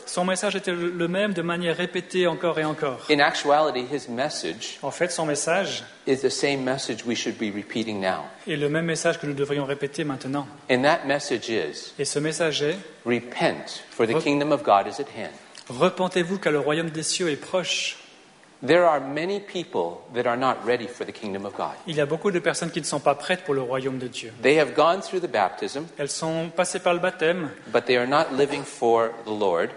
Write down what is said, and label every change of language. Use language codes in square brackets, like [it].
[fr] Son message était le même de manière répétée encore et encore. [en] In actuality, his message, [fr] en fait, son message [en] is the same message we should be repeating now. [fr] Est le même message que nous devrions répéter maintenant. [en] And that message is, [fr] et ce message est, [en] repent, for the kingdom of God is at hand. [fr] Repentez-vous car le royaume des cieux est proche. [en] There are many people that are not ready for the kingdom of God. [fr] Il y a beaucoup de personnes qui ne sont pas prêtes pour le royaume de Dieu. [en] They have gone through the baptism. [fr] Elles sont passées par le baptême. [en] But they are not living for the Lord.